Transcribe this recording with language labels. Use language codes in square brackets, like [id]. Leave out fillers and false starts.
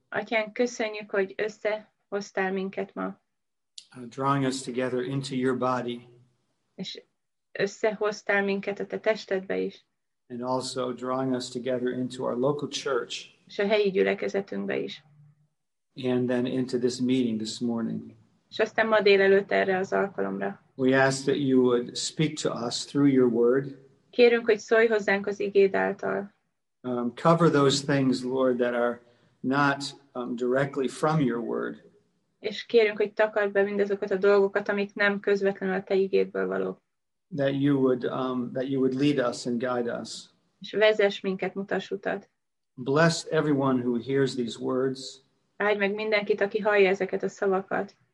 [hu] Atyánk, köszönjük, hogy összehoztál minket ma. [en] Drawing us together into your body. [hu] És összehoztál minket a te testedbe is. [en] And also drawing us together into our local church. [hu] És a helyi gyülekezetünkbe is. [en] And then into this meeting this morning. [hu] És aztán ma délelőtt erre az alkalomra. [en] We ask that you would speak to us through your word. [hu] Kérünk, hogy szólj hozzánk az igéd által. [en] Cover those things, Lord, that are not directly from your word. [hu] És kérünk, hogy takard be mindazokat a dolgokat, amik nem közvetlenül a te igédből való. [en] That you would lead us and guide us. [hu] És vezess minket, mutass utat. [en] Bless everyone who hears these words. [hu] Áldj meg mindenkit, aki hallja ezeket a szavakat.